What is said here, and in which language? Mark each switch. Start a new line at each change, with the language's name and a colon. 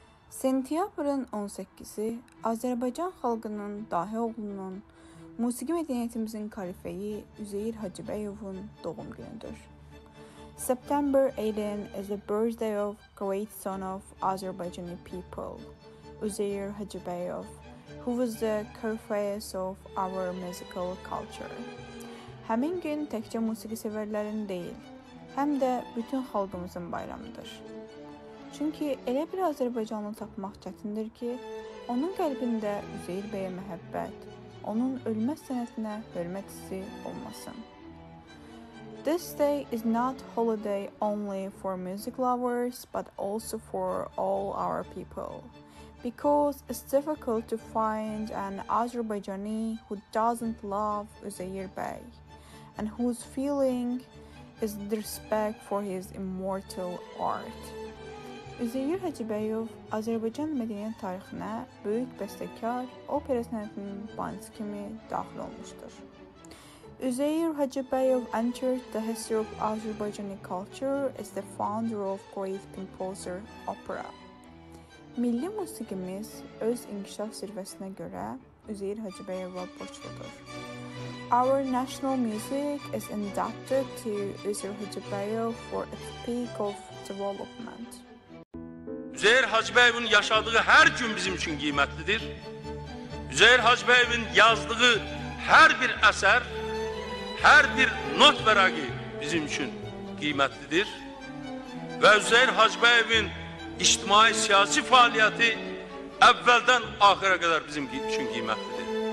Azerbaijani: Sentyabrın 18-i Azərbaycan xalqının dahi oğlunun, musiqi mədəniyyətimizin korifeyi Üzeyir Hacıbəyovun doğum günüdür.
English: September 18 is the birthday of great son of Azerbaijani people, Üzeyir Hacıbəyov, who was the corifeus of our musical culture.
Azerbaijani: Həmin gün təkcə musiqi sevərlərin deyil, həm də bütün xalqımızın bayramıdır. Çünki elə bir Azərbaycanlı tapmaq çətindir ki, onun qəlbində Üzeyir bəyə məhəbbət, onun ölməz sənətinə hörmət hissi olmasın.
English: This day is not holiday only for music lovers, but also for all our people. Because it's difficult to find an Azerbaijani who doesn't love Üzeyir bəy and whose feeling is the respect for his immortal art.
Azerbaijani: Üzeyir Hacıbəyov Azərbaycan mədəniyyət tarixinə böyük bəstəkar, opera sənətinin banisi kimi daxil olmuşdur.
English: Üzeyir Hacıbəyov entered the history of Azerbaijani culture as the founder of great composer opera.
Azerbaijani: Milli musiqimiz öz inkişaf zirvəsinə görə Üzeyir Hacıbəyova borçludur.
English: Our national music is indebted to Üzeyir Hacıbəyov for its peak of development.
Azerbaijani: Üzeyir Hacıbəyovun yaşadığı hər gün bizim üçün qiymətlidir. Üzeyir Hacıbəyovun yazdığı hər bir əsər, hər bir not vərəqi bizim üçün qiymətlidir. Və Üzeyir Hacıbəyovun ictimai-siyasi fəaliyyəti əvvəldən axıra qədər bizim üçün qiymətlidir.